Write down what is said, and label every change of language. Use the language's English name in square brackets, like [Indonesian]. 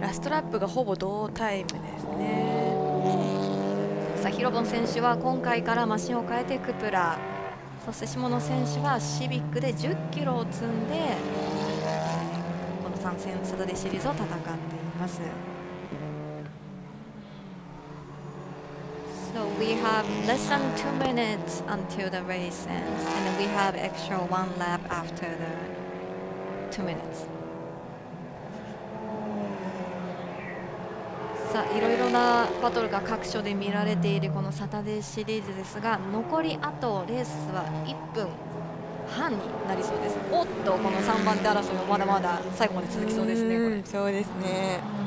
[Japanese] ラストラップがほぼ同タイムですね。さあヒロボン選手は今回からマシンを変えてクプラ、そして下野選手はシビックで10キロを積んで参戦サタデーシリーズを戦っています。 [English] So we have less than 2 minutes until the race ends and we have extra 1 lap after the 2 minutes。 [Japanese] さあいろいろなバトルが各所で見られているこのサタデーシリーズですが、残りあとレースは1分半になりそうです。おっと、この3番手争いもまだまだ最後まで続きそうですね。そうですね、